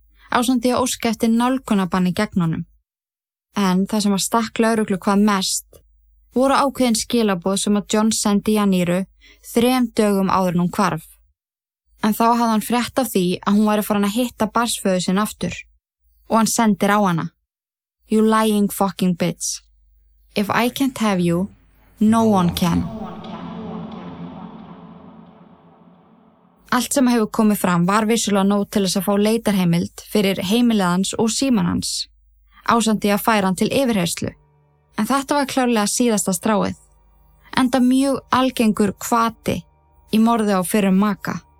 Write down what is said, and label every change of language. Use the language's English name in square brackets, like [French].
[Icelandic] ásamt því að óska eftir nálkunabanni gegn honum. En það sem að stakk lögreglu hvað mest voru ákveðin skilaboð sem að John sendi Janíru 3 dögum áður en hún hvarf. En þá hafði hann frétt af því að hún væri farin að hitta barnsföður sinn aftur og hann sendir á hana. [English] You lying fucking bitch. If I can't have you, no one can. [Icelandic] Allt sem hefur komið fram var vissulega nóg til þess að fá leitarheimild fyrir heimiliðans og símanans, ásandi að færa hann til yfirheyrslu. En þetta var klárlega síðasta stráið, enda mjög algengur hvati í morði á fyrir maka.